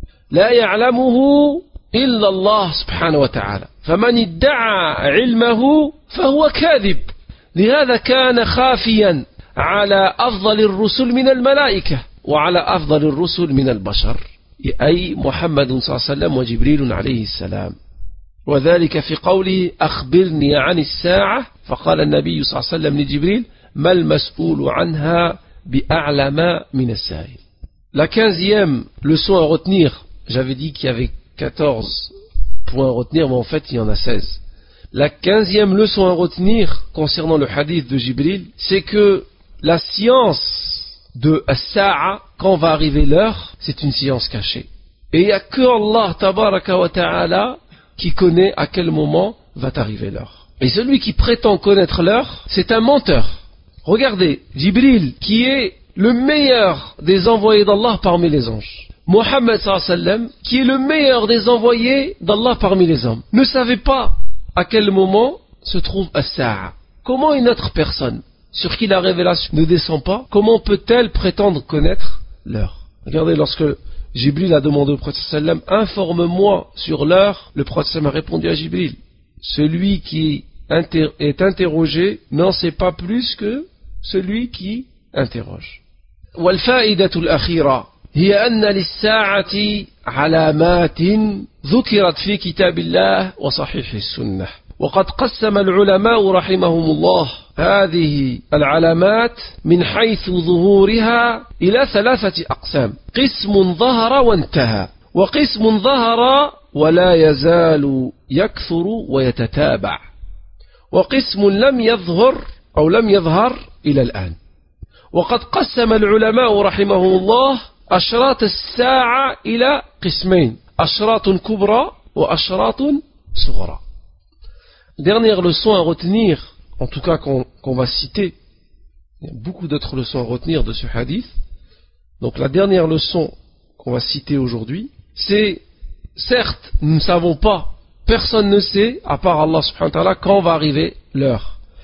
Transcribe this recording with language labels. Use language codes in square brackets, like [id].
[ar] لا يعلمه إلا الله سبحانه وتعالى فمن ادعى علمه فهو كاذب لهذا كان خافيا على أفضل الرسل من الملائكة وعلى أفضل الرسل من البشر أي محمد صلى الله عليه وسلم وجبريل عليه السلام وذلك في قوله أخبرني عن الساعة فقال النبي صلى الله عليه وسلم لجبريل ما المسؤول عنها بأعلم من السائل. [fr] La quinzième leçon à retenir. J'avais dit qu'il y avait 14 points à retenir, mais en fait, il y en a 16. La 15e leçon à retenir concernant le hadith de Jibril, c'est que la science de As-Sa'a, quand va arriver l'heure, c'est une science cachée. Et il n'y a que Allah, tabaraka wa ta'ala, qui connaît à quel moment va arriver l'heure. Et celui qui prétend connaître l'heure, c'est un menteur. Regardez, Jibril, qui est le meilleur des envoyés d'Allah parmi les anges. Mohammed sallallahu alayhi wa sallam, qui est le meilleur des envoyés d'Allah parmi les hommes, ne savait pas à quel moment se trouve As-Sa'a. Comment une autre personne sur qui la révélation ne descend pas, comment peut-elle prétendre connaître l'heure? Regardez, lorsque Jibril a demandé au prophète sallallahu alayhi wa sallam, informe-moi sur l'heure, le prophète sallallahu alayhi wa sallam a répondu à Jibril, celui qui est interrogé n'en sait pas plus que celui qui interroge. [ar] Wal-fa'idatul akhira. هي أن للساعة علامات ذكرت في كتاب الله وصحيح السنة وقد قسم العلماء رحمهم الله هذه العلامات من حيث ظهورها إلى ثلاثة أقسام قسم ظهر وانتهى وقسم ظهر ولا يزال يكثر ويتتابع وقسم لم يظهر أو لم يظهر إلى الآن وقد قسم العلماء رحمهم الله أشراط الساعة إلى قسمين أشراط كبرى وأشراط صغرى. [fr] Dernière leçon à retenir, en tout cas qu'on va citer, il y a beaucoup d'autres leçons à retenir de ce hadith. Donc la dernière leçon qu'on va citer aujourd'hui, c'est certes, nous ne savons pas, personne ne sait, à part Allah subhanahu wa ta'ala, quand va arriver l'heure.